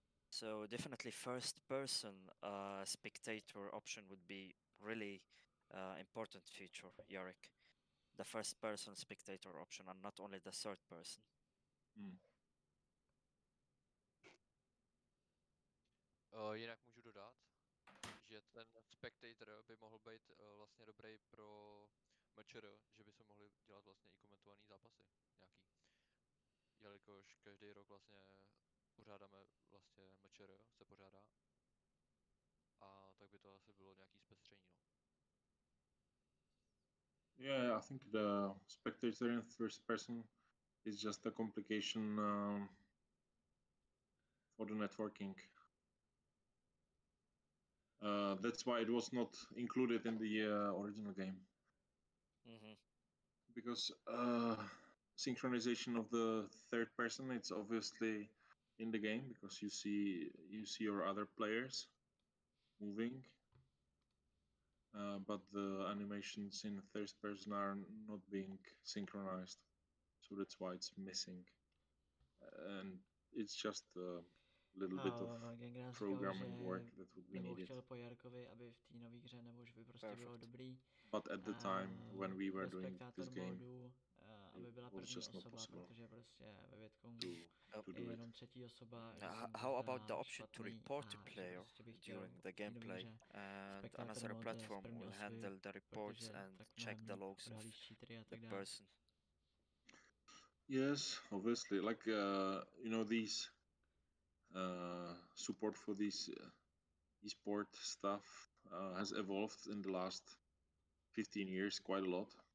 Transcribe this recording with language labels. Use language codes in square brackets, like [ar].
[en] So definitely first person spectator option would be really important feature, Yarik. The first person spectator option and not only the third person. [cs] Jinak můžu dodat, že ten spectator by mohl být vlastně dobrý pro mečer, že by se mohli dělat vlastně i komentovaný zápasy nějaký. Jelikož každý rok vlastně pořádáme vlastně mečer, se pořádá. A tak by to asi bylo nějaký zpestření, no. [en] Yeah, I think the spectator in first person is just a complication for the networking. That's why it was not included in the original game. Because synchronization of the third person, it's obviously in the game because you see your other players. moving. But the animations in third person are not being synchronized, so that's why it's missing. And it's just a little bit of programming work that would be needed. [cs] Chtěl po Jarkovi, aby v té nové hře nebo že by prostě [en] Perfect. [cs] Bylo dobrý. [en] But at the time when we were doing this game, [cs] aby byla první osoba, protože prostě ve Vietcongu je jenom třetí osoba. [en] How about the option to report a player during the gameplay? And another platform will handle the reports and check the logs of the person. Yes, obviously. Like, you know, these support for these e-sport stuff has evolved in the last 15 years quite a lot.